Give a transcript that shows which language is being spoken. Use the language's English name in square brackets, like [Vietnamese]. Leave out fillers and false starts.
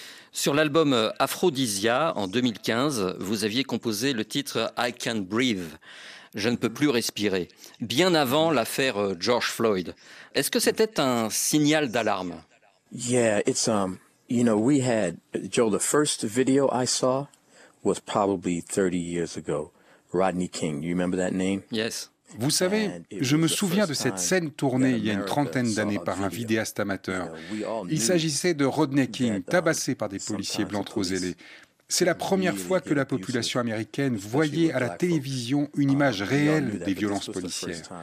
[French] Sur l'album Aphrodisia, en 2015, vous aviez composé le titre « I Can't Breathe ». Je ne peux plus respirer, bien avant l'affaire George Floyd. Est-ce que c'était un signal d'alarme ? [English] Joe, the first video I saw was probably 30 years ago. Rodney King, you remember that name ? Yes. [French] Vous savez, je me souviens de cette scène tournée il y a une trentaine d'années par un vidéaste amateur. Il s'agissait de Rodney King, tabassé par des policiers blancs trop zélés. C'est la première fois que la population américaine voyait à la télévision une image réelle des violences policières.